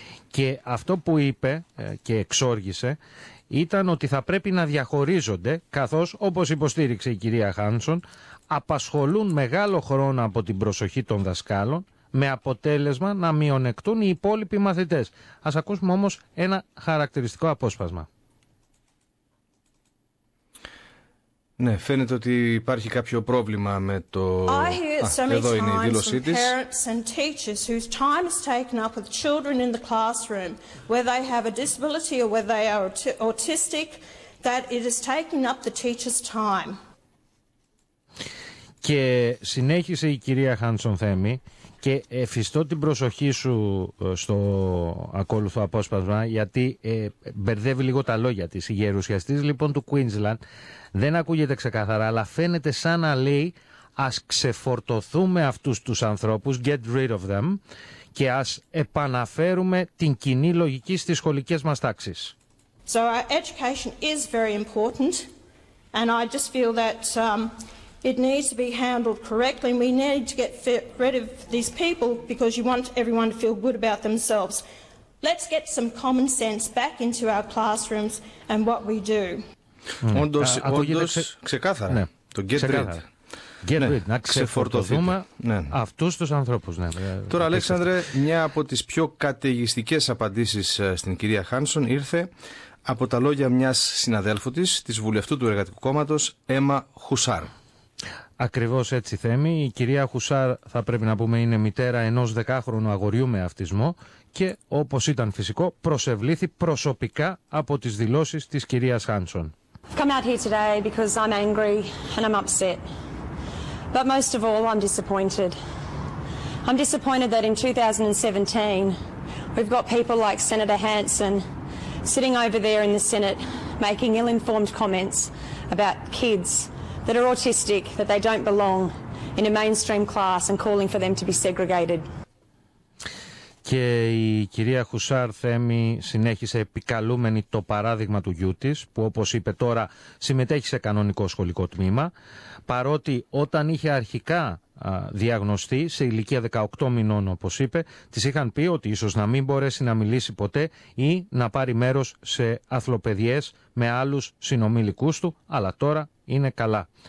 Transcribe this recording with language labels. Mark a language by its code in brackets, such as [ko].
[el] Και αυτό που είπε και εξόργησε ήταν ότι θα πρέπει να διαχωρίζονται, καθώς, όπως υποστήριξε η κυρία Χάνσον, απασχολούν μεγάλο χρόνο από την προσοχή των δασκάλων, με αποτέλεσμα να μειονεκτούν οι υπόλοιποι μαθητές. Ας ακούσουμε όμως ένα χαρακτηριστικό απόσπασμα. Ναι, φαίνεται ότι υπάρχει κάποιο πρόβλημα με το... εδώ είναι η δήλωσή της. [en] Parents and teachers whose time is taken up with children in the classroom, whether they have a disability or whether they are autistic, that it is taking up the teacher's time. [el] Και συνέχισε η κυρία Χάνσον Θέμη και εφιστώ την προσοχή σου στο ακόλουθο απόσπασμα, γιατί μπερδεύει λίγο τα λόγια της. Η γερουσιαστής λοιπόν του Queensland δεν ακούγεται ξεκάθαρα, αλλά φαίνεται σαν να λέει ας ξεφορτωθούμε αυτούς τους ανθρώπους, [en] get rid of them, [el] και ας επαναφέρουμε την κοινή λογική στις σχολικές μας τάξεις. [en] So our education is very important and I just feel that... It needs to be handled correctly and we need to get rid of these people because you want everyone to feel good about themselves. Let's get some common sense back into our classrooms and what we do. [el] Όντως, ξεκάθαρα, ναι. Το [en] get rid. Get rid, [el] να ξεφορτωθούμε αυτούς τους ανθρώπους. Ναι. Τώρα, Αλέξανδρε, μια από τις πιο καταιγιστικές απαντήσεις στην κυρία Χάνσον ήρθε από τα λόγια μιας συναδέλφου της βουλευτού του Εργατικού Κόμματος, Έμα Χουσάρ. Ακριβώς έτσι, Θέμη. Η κυρία Χουσάρ, θα πρέπει να πούμε, είναι μητέρα ενός 10χρονου αγοριού με αυτισμό και, όπως ήταν φυσικό, προσευλήθη προσωπικά από τις δηλώσεις της κυρίας Χάνσον. I've come out here today because I'm angry and I'm upset. But most of all, I'm disappointed. I'm disappointed that in 2017 we've got people like Senator Hanson sitting over there in the Senate making ill-informed comments about kids that are autistic, that they don't belong in a mainstream class and calling for them to be segregated. Και η κυρία Χουσάρ, Θέμη, συνέχισε επικαλούμενη το παράδειγμα του γιού της, που όπως είπε τώρα συμμετέχει σε κανονικό σχολικό τμήμα, παρότι όταν είχε αρχικά διαγνωστεί σε ηλικία 18 μηνών, όπως είπε, της είχαν πει ότι ίσως να μην μπορέσει να μιλήσει ποτέ ή να πάρει μέρος σε αθλοπαιδιές με άλλους συνομήλικούς του, αλλά τώρα είναι καλά.